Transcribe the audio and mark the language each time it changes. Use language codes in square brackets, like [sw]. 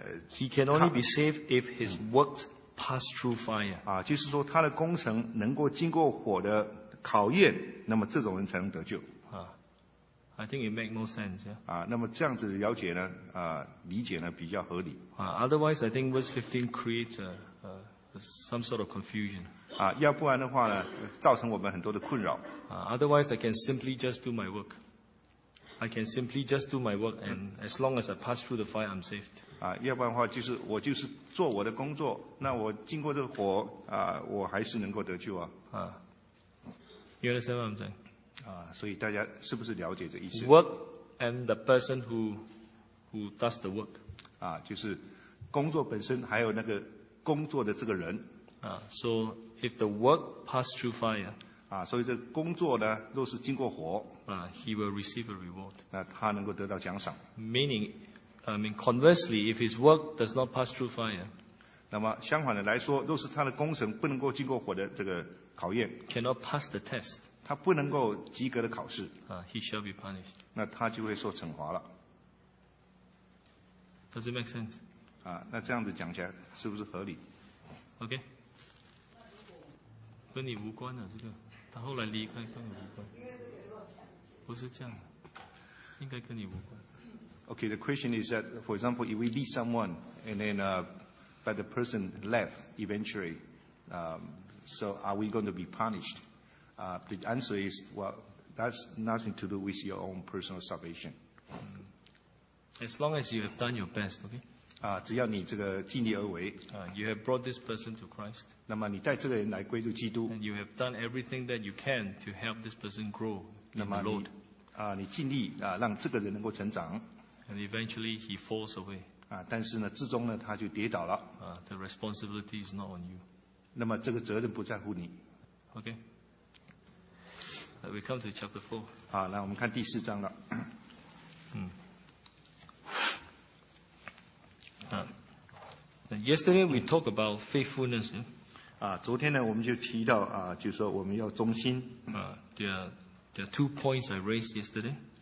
[en] he can only be saved if his works. Pass through fire. [zh] 就是说他的工程能够经过火的考验，那么这种人才能得救。 [en] I think it makes more sense. [zh] 那么这样子了解呢，理解呢比较合理。 [en] Otherwise, I think verse 15 creates some sort of confusion. [zh] 要不然的话呢，造成我们很多的困扰。 [en] Otherwise, I can simply just do my work. I can simply just do my work, and as long as I pass through the fire, I'm saved. [zh] 要不然的话就是我就是做我的工作，那我经过这个火我还是能够得救啊。 [en] You understand what I'm saying? [zh] 所以大家是不是了解这意思 [en] ？Work and the person who does the work. [zh] 就是工作本身，还有那个工作的这个人。 [en] So if the work passed through fire. [zh] 所以这工作呢，若是经过火。 [en] He will receive a reward. [zh] 那他能够得到奖赏。 [en] Meaning. Conversely, if his work does not pass through fire, [zh] 那么相反的来说，若是他的工程不能够经过火的这个考验 [en] ，cannot pass the test, [zh] 他不能够及格的考试 [en] he shall be punished. [zh] 那他就会受惩罚了。 [en] Does it make sense? [zh] 那这样子讲起来是不是合理？OK， 跟你无关了、啊、这个，他后来离开跟你无关，不是这样，应该跟你无关。 [en] Okay, the question is that, for example, if we lead someone, and then, but the person left eventually, so are we going to be punished? The answer is, well, that's nothing to do with your own personal salvation. As long as you have done your best, okay? [zh] 只要你这个尽力而为, [en] you have brought this person to Christ, [zh] 那么你带这个人来归入基督, [en] and you have done everything that you can to help this person grow in [zh] 那么你, [en] the Lord. [zh] 你尽力, 让这个人能够成长, [en] and eventually he falls away. [zh] 但是呢, 至终呢, 他就跌倒了, [en] the responsibility is not on you. [zh] 那么这个责任不在乎你。 [en] Okay. We come to chapter 4. [zh] 好，来我们看第四章了。 [en] Yesterday we talked about faithfulness. [zh] 昨天呢我们就提到 就是说我们要忠心。 [en] There are two points I raised yesterday.